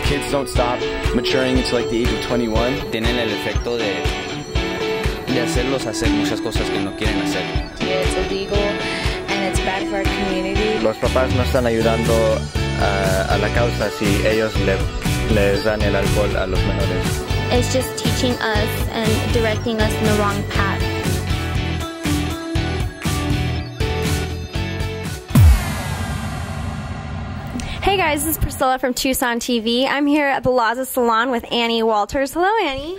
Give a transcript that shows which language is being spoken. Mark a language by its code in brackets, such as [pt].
[en] Kids don't stop maturing until like the age of 21. [es] Tienen el efecto de hacerlos hacer muchas cosas que no quieren hacer. [en] Yeah, it's illegal and it's bad for our community. [es] los papás no están ayudando a la causa si ellos les dan el alcohol a los menores. [en] It's just teaching us and directing us in the wrong path. Hey guys, this is Priscilla from Tucson TV. I'm here at the Laza Salon with Annie Walters. Hello, Annie.